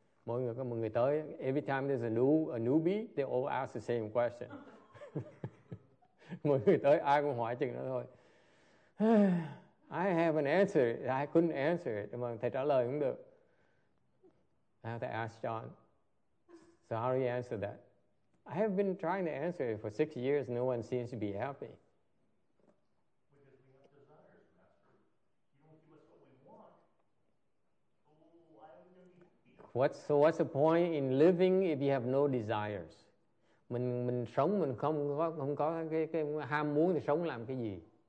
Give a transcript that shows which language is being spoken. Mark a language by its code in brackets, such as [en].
[vi] Mỗi người có một người tới, [en] every time there's a newbie, they all ask the same question. [vi] Mỗi người tới ai cũng hỏi chừng đó thôi. [en] I have an answer, I couldn't answer it. [vi] Mà thầy trả lời cũng được. [en] I have to ask John. So how do you answer that? I have been trying to answer it for 6 years. No one seems to be happy. Because we have desires, Master. You don't give us what we want. So why are we going to be happy? What's the point in living if you have no desires? [vi] Mình sống mình không có cái ham muốn thì sống làm cái gì?